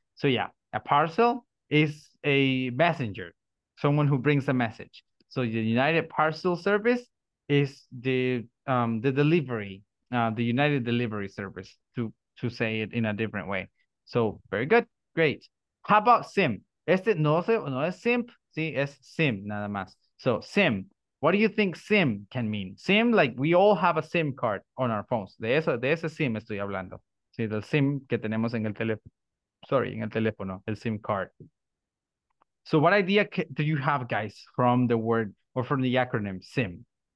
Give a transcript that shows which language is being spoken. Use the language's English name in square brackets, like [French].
[English] So yeah, a parcel is a messenger, someone who brings a message. So the United Parcel Service is the delivery, the United Delivery Service, to say it in a different way. So very good, great. How about SIM? [Spanish] Este no es SIM, sí, es SIM nada más. [English] So SIM. What do you think SIM can mean? SIM, like we all have a SIM card on our phones. [Spanish] De ese SIM estoy hablando. Sí, del SIM que tenemos en el teléfono. Sorry, en el teléfono, el SIM card. [English] So what idea do you have, guys, from the word or from the acronym SIM?